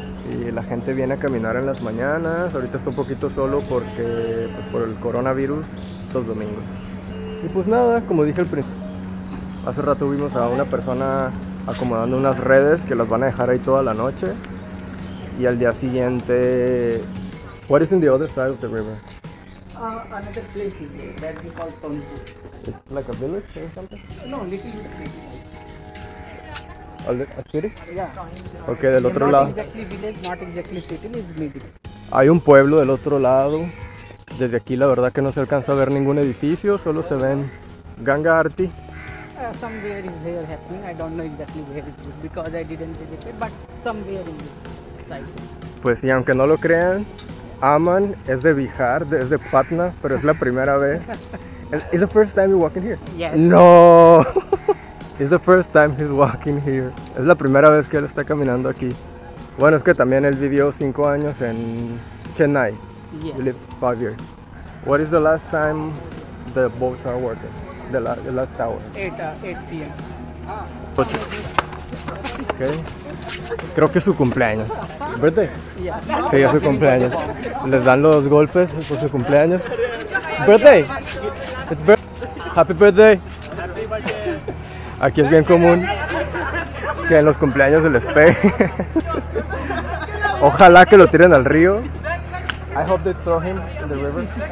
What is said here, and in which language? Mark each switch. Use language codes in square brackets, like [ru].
[es] Y la gente viene a caminar en las mañanas. Ahorita está un poquito solo porque, pues, por el coronavirus, estos domingos. Y pues nada, como dije al principio, hace rato vimos a una persona acomodando unas redes que las van a dejar ahí toda la noche. Y al día siguiente, [en] what is in the other side of the river? Another place is there, that we call Tonji. It's like a village or something? No, little city. A city? Yeah. [es] Okay, del otro lado. [en] Not exactly village, not exactly city, it's little. [es] Hay un pueblo del otro lado. Desde aquí la verdad que no se alcanza a ver ningún edificio, solo se ven Ganga Arti. [en] Somewhere is here happening, I don't know exactly where it is because I didn't visit it, but somewhere in this. [es] Pues sí, aunque no lo crean, Aman es de Bihar, es de Patna, pero es la primera vez. [en] Is the first time you walking here? Yes. No. Is the first time he's walking here. [es] Es la primera vez que él está caminando aquí. Bueno, es que también él vivió 5 años en Chennai. [en] Yeah. You live 5 years. What is the last time the boats are working? The last hour? 8 p.m. [es] Okay. Creo que es su cumpleaños. ¿Birthday? Sí, es su cumpleaños. Les dan los golpes por su cumpleaños. ¿Birthday? [en] It's birthday. Happy birthday. [es] Aquí es bien común que en los cumpleaños se les pegue. Ojalá que lo tiren al río. [en] I hope they throw him in the river.